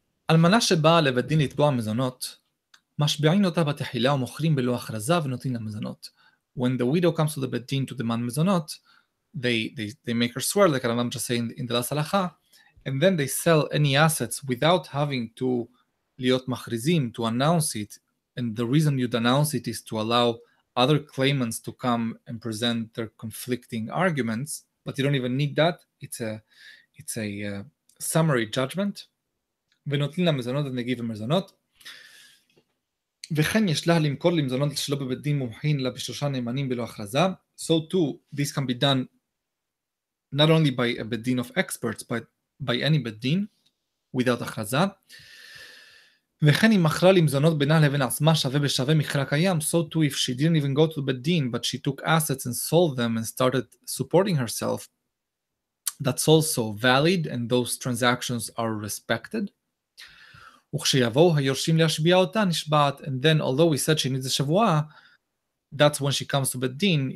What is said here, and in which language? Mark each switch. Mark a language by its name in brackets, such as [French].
[Hebrew] אלמנה שבאה לבדין לתבוע מזונות, משביעין אותה בתחילה ומוכרים בלא הכרזה ונותנים למזונות. [English] When the widow comes to the bedin to demand mezonot, they make her swear, like I'm just saying in the last halacha, and then they sell any assets without having to [Hebrew] להיות מכריזים, [English] to announce it, and the reason you'd announce it is to allow other claimants to come and present their conflicting arguments, but you don't even need that. It's a summary judgment. [Hebrew] ונותנים למזונות, [English] and they give them [Hebrew] מזונות. וכן יש לה למכור למזונות שלא בבית דין מומחין, אלא בשלושה נאמנים בלא הכרזה. [English] So too, this can be done not only by a bed din of experts, but by any bed din without הכרזה. [Hebrew] וכן היא מכרה למזונות בינה לבין עצמה שווה בשווה מכרה קיים. [English] So too, if she didn't even go to the bed din, but she took assets and sold them and started supporting herself, that's also valid, and those transactions are respected. And then, although we said she needs a shavua, that's when she comes to Bedin.